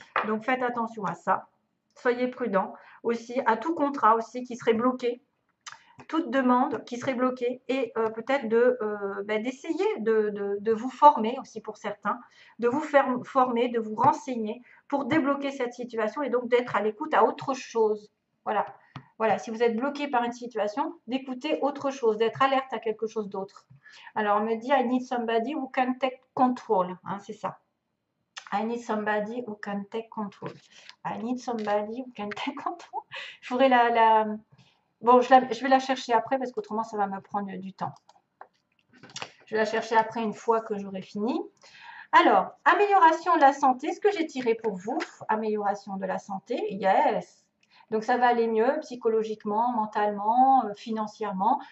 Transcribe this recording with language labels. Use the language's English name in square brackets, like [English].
[French] Donc faites attention à ça. Soyez prudent aussi à tout contrat aussi qui serait bloqué, toute demande qui serait bloquée et peut-être d'essayer de vous former aussi pour certains, de vous faire former, de vous renseigner pour débloquer cette situation et donc d'être à l'écoute à autre chose. Voilà. Voilà, si vous êtes bloqué par une situation, d'écouter autre chose, d'être alerte à quelque chose d'autre. Alors, on me dit, [English] I need somebody who can take control. [French] Hein, c'est ça. [English] I need somebody who can take control. I need somebody who can take control. [French] Je voudrais Bon, je vais la chercher après parce qu'autrement, ça va me prendre du temps. Je vais la chercher après une fois que j'aurai fini. Alors, amélioration de la santé. Est-ce que j'ai tiré pour vous? Amélioration de la santé. Yes! Donc ça va aller mieux psychologiquement, mentalement, financièrement.